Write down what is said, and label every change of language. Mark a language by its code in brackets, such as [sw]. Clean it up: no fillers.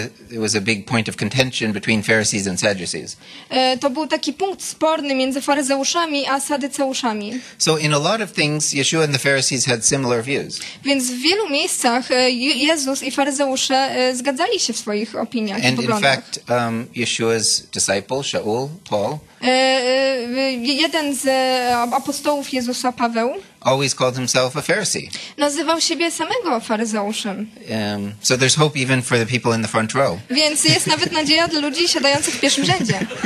[en] It was a big point of contention between Pharisees and Sadducees. [pl] To był taki punkt sporny między faryzeuszami a saduceuszami. [en] So in a lot of things Yeshua and the Pharisees had similar views. [pl] Więc w wielu miejscach Jezus i faryzeusze zgadzali się w swoich opiniach i poglądach. [en] And in fact, Yeshua's disciple Shaul, Paul, [pl] jeden z apostołów Jezusa, Paweł, [en] always called himself a Pharisee. [pl] Nazywał siebie samego faryzeuszem. [en] So there's hope even for the people in the front row. [pl] Więc jest nawet nadzieja dla ludzi siadających w pierwszym rzędzie.